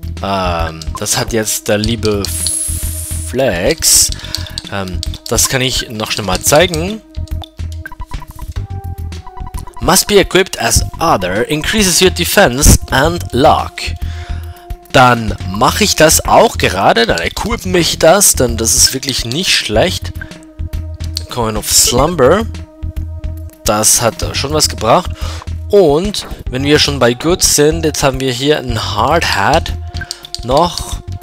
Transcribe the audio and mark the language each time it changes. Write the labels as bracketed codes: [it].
[de] Das hat jetzt der liebe Flex. Das kann ich noch schnell mal zeigen. [en] Must be equipped as other. Increases your defense and luck. [de] Dann mache ich das auch gerade. Dann equip mich das. Denn das ist wirklich nicht schlecht. Coin of Slumber. Das hat schon was gebracht. Und wenn wir schon bei Good sind, jetzt haben wir hier einen Hard Hat noch.